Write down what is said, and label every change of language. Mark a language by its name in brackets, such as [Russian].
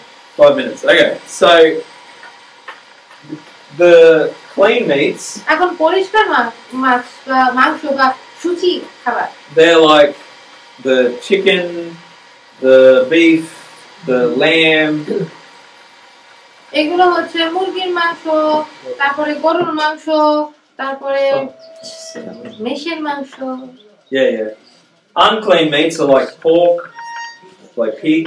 [English] 5 minutes, okay. So, the clean meats. [Bangla] এখন পরিষ্কার মাংস মাংস বা সুচি খাবার. [English] They're like the chicken, the beef, the lamb. [Bangla] এগুলো হচ্ছে মুরগির মাংস, তারপরে গরুর মাংস, তারপরে মেষের মাংস. [English] Yeah, yeah. Unclean meats are like pork, like pig.